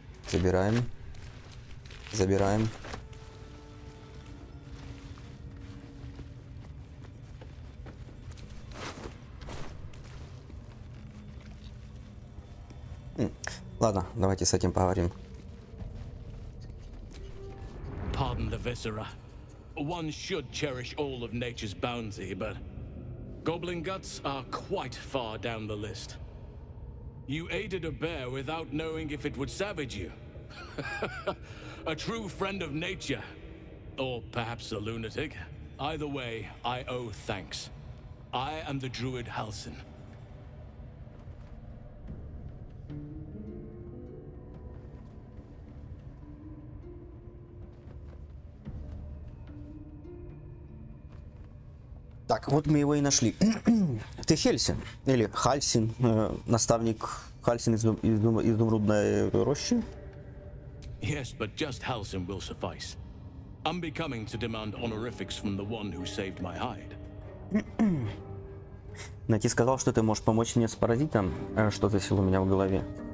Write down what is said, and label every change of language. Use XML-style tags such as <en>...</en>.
<ru>Забираем. Забираем. Ладно, давайте с этим поговорим.</ru> <en>Pardon the viscera. One should cherish all of nature's bounty, but goblin guts are quite far down the list. You aided a bear without knowing if it would savage you. A true friend of nature, or perhaps a lunatic. Either way, I owe thanks. I am the druid Halsin.</en> <ru>Так, вот мы его и нашли. Ты Хельсин? Или Хальсин? Наставник Хальсин из Изумрудной рощи?</ru> <en>Yes, but just Halsin will suffice. Unbecoming to demand honorifics from the one who saved my hide.</en> <ru>Найти сказал, что ты можешь помочь мне с паразитом. Что за сила у меня в голове?</ru>